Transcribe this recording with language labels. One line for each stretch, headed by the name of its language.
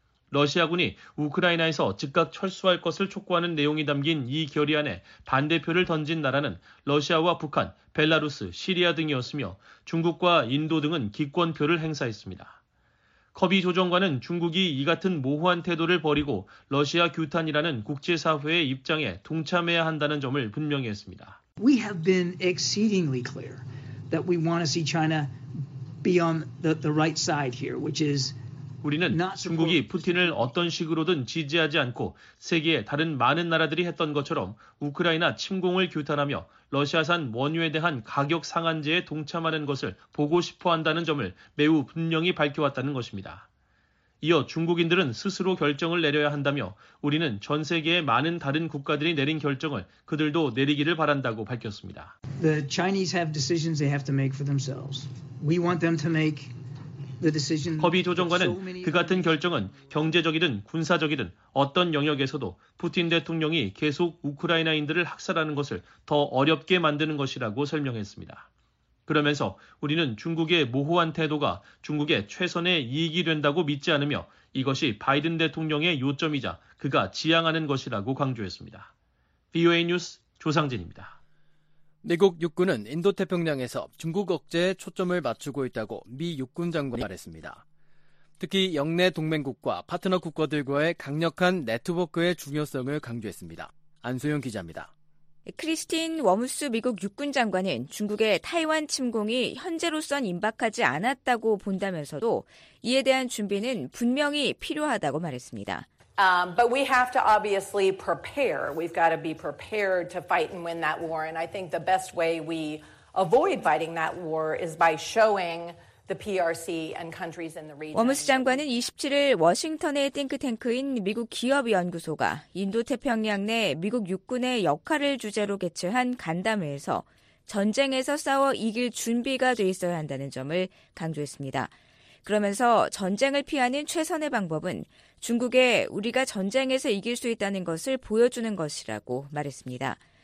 Korean: 러시아군이 우크라이나에서 즉각 철수할 것을 촉구하는 내용이 담긴 이 결의안에 반대표를 던진 나라는 러시아와 북한, 벨라루스, 시리아 등이었으며 중국과 인도 등은 기권표를 행사했습니다. 커비 조정관은 중국이 이 같은 모호한 태도를 버리고 러시아 규탄이라는 국제사회의 입장에 동참해야 한다는 점을 분명히 했습니다.
English: We have been exceedingly clear that we want to see China be on the right side here, which is
Korean: 우리는 중국이 푸틴을 어떤 식으로든 지지하지 않고 세계의 다른 많은 나라들이 했던 것처럼 우크라이나 침공을 규탄하며 러시아산 원유에 대한 가격 상한제에 동참하는 것을 보고 싶어 한다는 점을 매우 분명히 밝혀왔다는 것입니다. 이어 중국인들은 스스로 결정을 내려야 한다며 우리는 전 세계의 많은 다른 국가들이 내린 결정을 그들도 내리기를 바란다고 밝혔습니다.
English: The Chinese have decisions they have to make for themselves. We want them to make the decision.
Korean: 커비 조정관은 그 같은 결정은 경제적이든 군사적이든 어떤 영역에서도 푸틴 대통령이 계속 우크라이나인들을 학살하는 것을 더 어렵게 만드는 것이라고 설명했습니다. 그러면서 우리는 중국의 모호한 태도가 중국의 최선의 이익이 된다고 믿지 않으며 이것이 바이든 대통령의 요점이자 그가 지향하는 것이라고 강조했습니다. VOA 뉴스 조상진입니다. 미국 육군은 인도태평양에서 중국 억제에 초점을 맞추고 있다고 미 육군 장관이 말했습니다. 특히 영내 동맹국과 파트너 국가들과의 강력한 네트워크의 중요성을 강조했습니다. 안소영 기자입니다. 크리스틴 워무스 미국 육군 장관은 중국의 타이완 침공이 현재로선 임박하지 않았다고 본다면서도 이에 대한 준비는 분명히 필요하다고 말했습니다.
English: But we have to obviously prepare. We've got to be prepared to fight and win that war. And I think the best way we avoid fighting that war is by showing the PRC and countries in the region.
Korean: 워무스 장관은 27일 워싱턴의 띵크탱크인 미국 기업연구소가 인도태평양 내 미국 육군의 역할을 주제로 개최한 간담회에서 전쟁에서 싸워 이길 준비가 돼 있어야 한다는 점을 강조했습니다. 그러면서 전쟁을 피하는 최선의 방법은 중국에 우리가 전쟁에서 이길 수 있다는 것을 보여주는 것이라고 말했습니다.